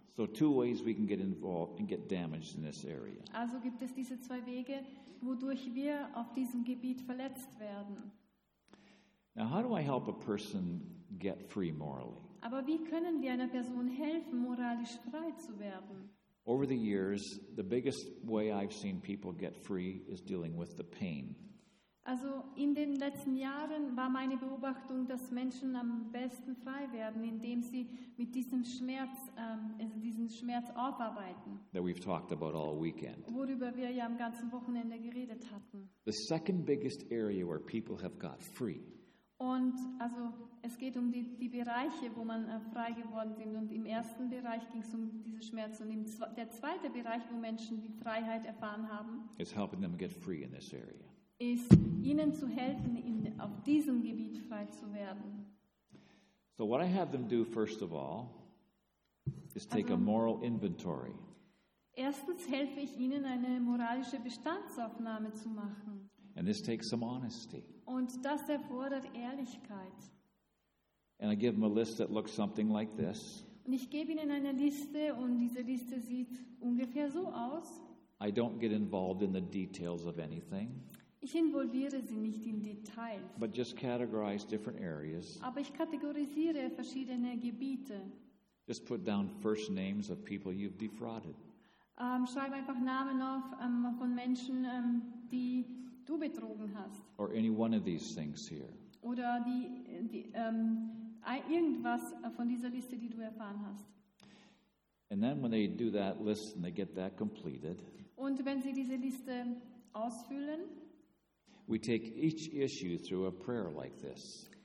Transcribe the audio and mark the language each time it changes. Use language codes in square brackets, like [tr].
[en] So two ways we can get involved and get damaged in this area. [de] Also gibt es diese zwei Wege, wodurch wir auf diesem Gebiet verletzt werden. [en] Now how do I help a person get free morally? [de] Aber wie können wir einer Person helfen, moralisch frei zu werden? [en] Over the years, the biggest way I've seen people get free is dealing with the pain. [de] Also in den letzten Jahren war meine Beobachtung, dass Menschen am besten frei werden, indem sie mit diesem Schmerz, also diesen Schmerz aufarbeiten. [en] That we've talked about all weekend. [de] Worüber wir ja am ganzen Wochenende geredet hatten. [en] The second biggest area where people have got free. [de] Und also es geht um die Bereiche, wo man frei geworden sind. Und im ersten Bereich ging es um diese Schmerzen. Und der zweite Bereich, wo Menschen die Freiheit erfahren haben, [en] is helping them get free in this area. [de] Ist ihnen zu helfen, auf diesem Gebiet frei zu werden. [en] So what I have them do first of all is take a moral inventory. [de] Erstens helfe ich ihnen, eine moralische Bestandsaufnahme zu machen. [en] And this takes some honesty. [de] Und das erfordert Ehrlichkeit. [en] And I give them a list that looks something like this. [de] Und ich gebe ihnen eine Liste und diese Liste sieht ungefähr so aus. [en] I don't get involved in the details of anything. [de] Ich involviere sie nicht in Details. [en] But just categorize different areas. [de] Aber ich kategorisiere verschiedene Gebiete. [en] Just put down first names of people you've defrauded. [de] Schreibe einfach Namen auf von Menschen, die du betrogen hast. [en] Or any one of these things here. [de] Oder irgendwas von dieser Liste, die du erfahren hast. [en] And then when they do that list and they get that completed. [de] Und wenn sie diese Liste ausfüllen. [en] We take each issue through a prayer like this.